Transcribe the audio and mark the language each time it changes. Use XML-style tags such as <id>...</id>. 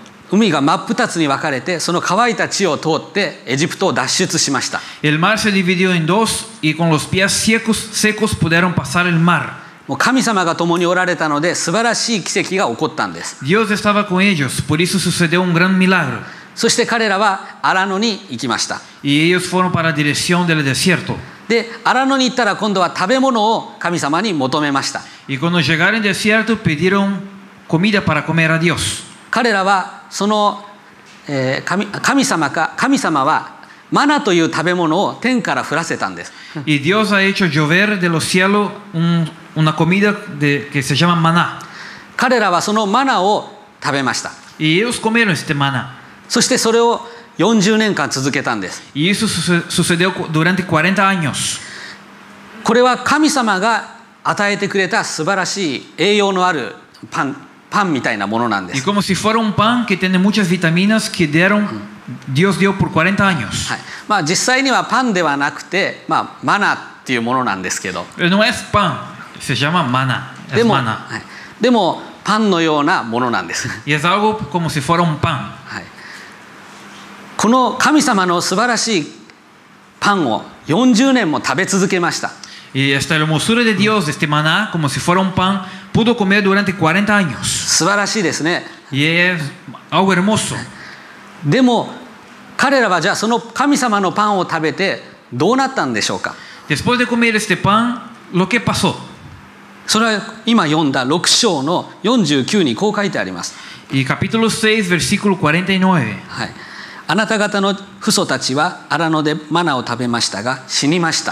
<ja>海が真っ二つに分かれて、その乾いた地を通ってエジプトを脱出しました。</ja> <es>El mar se dividió en dos y con los pies secos pudieron pasar el mar.</es> <ja>もう神様が共におられたので素晴らしい奇跡が起こったんです。</ja> <es>Dios estaba con ellos, por eso sucedió un gran milagro.</es> <ja>そして彼らはアラノに行きました。</ja> <es>Y ellos fueron para la dirección del desierto.</es> <ja>で、アラノに行ったら今度は食べ物を神様に求めました。</ja> <es>Y cuando llegaron al desierto, pidieron comida para comer a Dios.</es> <ja>彼らはその、神様はマナという食べ物を天から降らせたんです。</ja> <es>Y Dios ha hecho llover de los cielos una comida que se llama maná.</es> <ja>彼らはそのマナを食べました。</ja> <es>Y ellos comieron este maná.</es> <ja>そしてそれを40年間続けたんです。</ja> <es>Y eso sucedió durante 40 años.</es> <ja>これは神様が与えてくれた素晴らしい栄養のあるパンみたいなものなんです。</ja> <es>Y como si fuera un pan que tiene muchas vitaminas que dieron, Dios dio por 40 años.</es> <ja>はい。まあ実際にはパンではなくて、まあマナっていうものなんですけど。</ja> <es>No es pan, se llama maná. Es maná.</es> <ja>でもパンのようなものなんです。</ja> <es>Y es algo como si fuera un pan.</es> <ja>この神様の素晴らしいパンを40年も食べ続けました。</ja> <es>Y esta hermosura de Dios, este maná, como si fuera un pan, pudo comer durante 40 años.</es> <ja>素晴らしいですね。</ja> <es>Y es algo hermoso.</es> <ja>でも彼らはじゃあその神様のパンを食べてどうなったんでしょうか。</ja> <es>Después de comer este pan, lo que pasó?</es> <ja>それは今読んだ6章の49にこう書いてあります。</ja> <es>Y capítulo 6, versículo 49.</es> <ja>はい。あなた方の父祖たちはアラノでマナを食べましたが死にました。</ja>